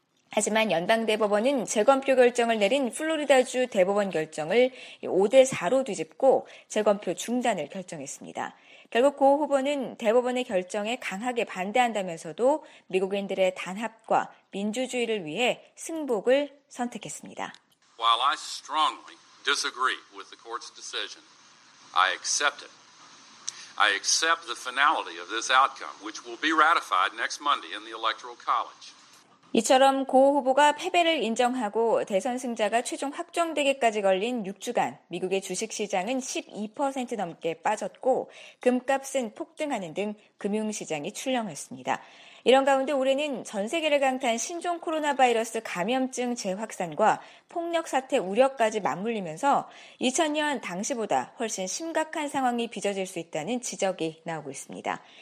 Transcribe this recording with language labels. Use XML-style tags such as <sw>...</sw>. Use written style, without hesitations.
<ko>하지만 연방대법원은 재검표 결정을 내린 플로리다주 대법원 결정을 5-4로 뒤집고 재검표 중단을 결정했습니다. 결국 고 후보는 대법원의 결정에 강하게 반대한다면서도 미국인들의 단합과 민주주의를 위해 승복을 선택했습니다.</ko> <en>While I strongly disagree with the court's decision, I accept it. I accept the finality of this outcome, which will be ratified next Monday in the Electoral College.</en> <ko>이처럼 고 후보가 패배를 인정하고 대선 승자가 최종 확정되기까지 걸린 6주간 미국의 주식시장은 12% 넘게 빠졌고 금값은 폭등하는 등 금융시장이 출렁였습니다. 이런 가운데 올해는 전 세계를 강타한 신종 코로나 바이러스 감염증 재확산과 폭력 사태 우려까지 맞물리면서 2000년 당시보다 훨씬 심각한 상황이 빚어질 수 있다는 지적이 나오고 있습니다.</ko>